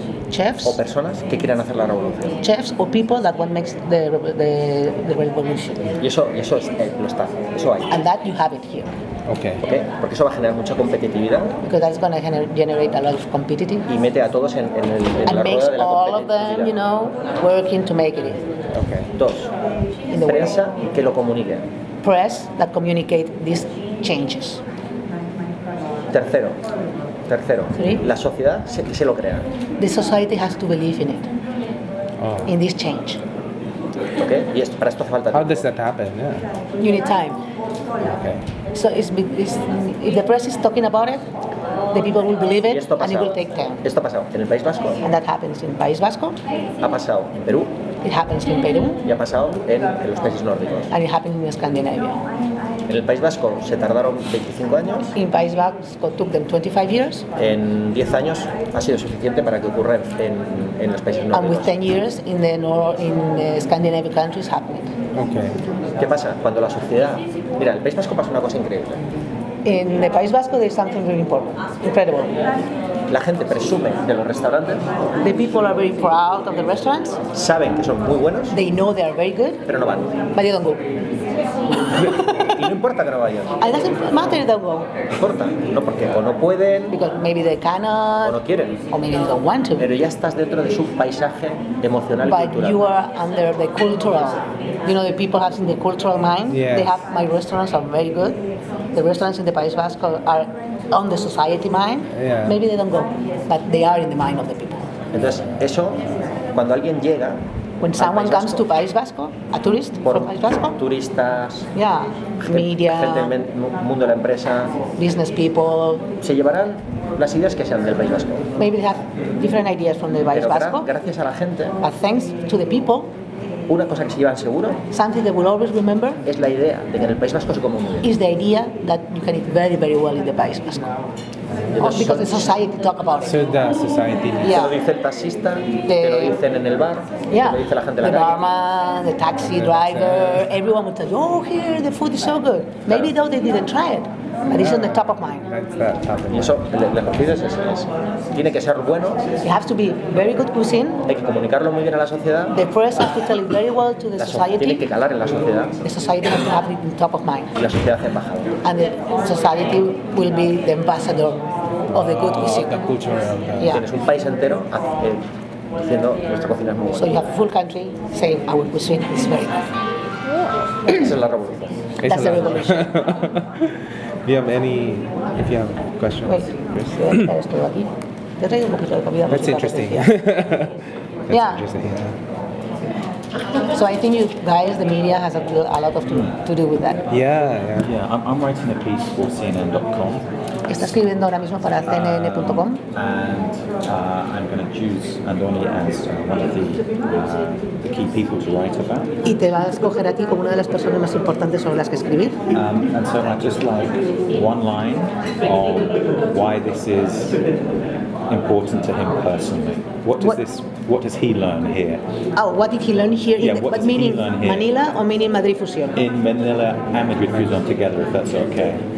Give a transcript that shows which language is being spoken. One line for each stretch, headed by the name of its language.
Spanish: Chefs o personas que quieran hacer la revolución.
English: Chefs or people that want makes the revolution.
Spanish: Y eso es, lo está, eso hay.
English: And that you have it here.
Spanish: Okay. Okay. Porque eso va a generar mucha competitividad.
English: Because that's going to generate a lot of competitiveness.
Spanish: Y mete a todos en el en
English: and
Spanish: la rueda de la competitividad.
English: And makes all of them, you know, working to make it.
Spanish: Okay. Dos.
English: In the
Spanish: prensa way. Que lo comunique.
English: Press that communicate these changes.
Spanish: Tercero,
English: three.
Spanish: La sociedad se lo crea.
English: The society has to believe in it, in this change.
Spanish: Okay. Y esto, para esto hace falta.
English: How does that happen? Yeah. You need time. Okay. So it's, if the press is talking about it, the people will believe it, and it will take time.
Spanish: Esto ha pasado en el País Vasco.
English: And that happens in País Vasco.
Spanish: Ha pasado en Perú.
English: It happens in Peru.
Spanish: Y ha pasado en los países nórdicos.
English: And it happened in Scandinavia.
Spanish: En el País Vasco se tardaron 25 años.
English: In País Vasco took them 25 years.
Spanish: En 10 años ha sido suficiente para que ocurra en los países nórdicos.
English: And with 10 years in the Scandinavian countries happened. Okay.
Spanish: ¿Qué pasa cuando la sociedad? Mira, el País Vasco pasa una cosa increíble.
English: In the País Vasco there's something really important. Incredible.
Spanish: La gente presume de los restaurantes.
English: The people are very proud of the restaurants.
Spanish: Saben que son muy buenos.
English: They know they are very good.
Spanish: Pero no van.
English: But they don't go.
Spanish: Y no importa que no vayan.
English: It doesn't matter if they go.
Spanish: Importa, no porque o no pueden.
English: Because maybe they cannot.
Spanish: O no quieren.
English: Or maybe they don't want to.
Spanish: Pero ya estás dentro de su paisaje emocional
English: But
Spanish: y cultural.
English: But you are under the cultural. You know the people have in the cultural mind. Yes. They have my restaurants are very good. The restaurants in the País Vasco are on the society mind. Yeah. Maybe they don't go, but they are in the mind of the people.
Spanish: Entonces, eso cuando alguien llega,
English: when someone comes to País Vasco, a tourist from País Vasco,
Spanish: turistas,
English: yeah, media,
Spanish: gente del mundo de la empresa,
English: business people,
Spanish: se llevarán las ideas que sean del País Vasco.
English: Maybe they have different ideas from the País Vasco.
Spanish: Gracias a la gente.
English: But thanks to the people.
Spanish: Una cosa que se llevan seguro.
English: Something they will always remember.
Spanish: Es la idea de que en el País Vasco se come muy bien.
English: Is the idea that you can eat very, very well in the País Vasco. Because the society talk about it. So the society. Yeah.
Spanish: Te lo dice el taxista, te lo dicen en el bar,
English: yeah,
Spanish: te lo dice la gente de la
English: the The barman, the taxi driver, everyone will tell you, oh, here, the food is so good. Maybe
Spanish: claro,
English: though they didn't try it, but it's on the top of mind.
Spanish: Y eso, le confío es eso. Tiene que ser bueno.
English: It has to be very good cuisine.
Spanish: Hay que comunicarlo muy bien a la sociedad.
English: The press has to tell it very well to the society.
Spanish: Tiene que calar en la sociedad.
English: The society has to have it on top of mind.
Spanish: Y la sociedad hace embajador.
English: And the society will be the ambassador of the good cuisine. The culture, okay. Yeah.
Spanish: Tienes un país entero diciendo nuestra cocina es muy buena.
English: So you have a full country saying our cuisine is very good.
Spanish: Esa es la revolución.
English: That's the revolution. Do you have any, if you have questions? Wait,
Spanish: estoy aquí. Te traigo un poquito de comida.
English: That's interesting. That's yeah. So I think you guys, the media, has a lot of to do with that. Yeah, yeah. I'm writing a piece for CNN.com.
Spanish: Está escribiendo ahora mismo para CNN.com.
English: I'm going to choose and only ask one of the key people to write about.
Spanish: Y te vas a escoger a ti como una de las personas más importantes sobre las que escribir.
English: And so I just like one line of why this is important to him personally. What does he learn here? Oh, what did he learn here? Yeah, what meaning here? Manila or meaning Madrid Fusion? In Manila and Madrid Fusion together, if that's okay.